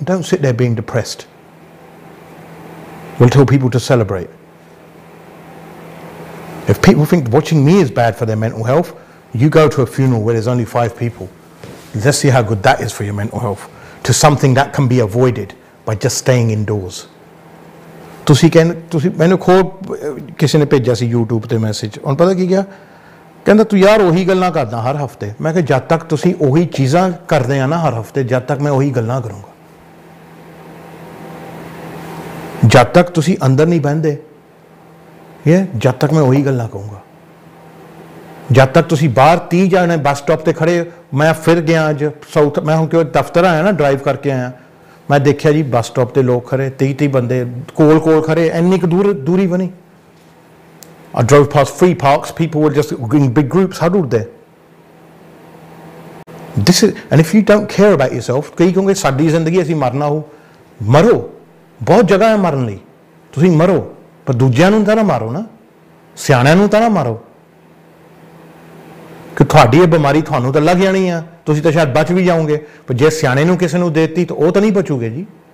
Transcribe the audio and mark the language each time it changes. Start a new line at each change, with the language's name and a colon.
English: Don't sit there being depressed. We'll tell people to celebrate. If people think watching me is bad for their mental health, you go to a funeral where there's only 5 people. Let's see how good that is for your mental health. To something that can be avoided by just staying indoors.
Punjabi: ਤੁਸੀਂ ਮੈਨੂੰ ਖੋ ਕਿਸੇ ਨੇ ਭੇਜਿਆ ਸੀ YouTube 'ਤੇ message, ਹੁਣ ਪਤਾ ਕੀ ਕਿਹਾ, ਕਹਿੰਦਾ ਤੂੰ ਯਾਰ ਉਹੀ ਗੱਲਾਂ ਕਰਦਾ ਹਰ ਹਫ਼ਤੇ। ਮੈਂ ਕਿਹਾ ਜਦ ਤੱਕ ਤੁਸੀਂ ਉਹੀ ਚੀਜ਼ਾਂ ਕਰਦੇ ਆ ਨਾ ਹਰ ਹਫ਼ਤੇ, ਜਦ ਤੱਕ ਮੈਂ ਉਹੀ ਗੱਲਾਂ ਕਰੂੰਗਾ। ਜਦ ਤੱਕ ਤੁਸੀਂ ਅੰਦਰ ਨਹੀਂ ਬਹਿੰਦੇ, ਯਾਰ ਜਦ ਤੱਕ ਮੈਂ ਉਹੀ ਗੱਲਾਂ ਕਹੂੰਗਾ। ਜਦ ਤੱਕ ਤੁਸੀਂ ਬਾਹਰ 30 ਜਣੇ ਬੱਸ ਸਟੋਪ 'ਤੇ ਖੜ੍ਹੇ, ਮੈਂ ਫਿਰ ਗਿਆ ਅੱਜ ਸਾਊਥ, ਮੈਂ ਹੁਣ ਕਿਉਂ ਦਫ਼ਤਰ ਆਇਆ ਨਾ ਡਰਾਈਵ ਕਰਕੇ ਆਇਆ, ਮੈਂ ਦੇਖਿਆ ਜੀ ਬੱਸ ਸਟੋਪ 'ਤੇ ਲੋਕ ਖੜ੍ਹੇ, 30-30 ਬੰਦੇ ਕੋਲ ਕੋਲ ਖੜ੍ਹੇ, ਇੰਨੀ ਕੁ ਦੂਰੀ ਬਣੀ।
English: I drove past free parks, people were just in big groups huddled there. This is, and if you don't care about yourself,
Punjabi: ਕਈ ਕਹੋਂਗੇ ਸਾਡੀ ਜ਼ਿੰਦਗੀ ਅਸੀਂ ਮਰਨਾ ਹੋ, ਮਰੋ, ਬਹੁਤ ਜਗ੍ਹਾ ਹੈ ਮਰਨ ਲਈ, ਤੁਸੀਂ ਮਰੋ, ਪਰ ਦੂਜਿਆਂ ਨੂੰ ਤਾਂ ਨਾ ਮਾਰੋ ਨਾ, ਸਿਆਣਿਆਂ ਨੂੰ ਤਾਂ ਨਾ ਮਾਰੋ, ਕਿ ਤੁਹਾਡੀ ਇਹ ਬਿਮਾਰੀ ਤੁਹਾਨੂੰ ਤਾਂ ਲੱਗ ਜਾਣੀ ਆ, ਤੁਸੀਂ ਤਾਂ ਸ਼ਾਇਦ ਬਚ ਵੀ ਜਾਓਗੇ, ਪਰ ਜੇ ਸਿਆਣੇ ਨੂੰ ਕਿਸੇ ਨੂੰ ਦੇ ਦਿੱਤੀ ਤਾਂ ਉਹ ਤਾਂ ਨਹੀਂ ਬਚੂਗੇ ਜੀ।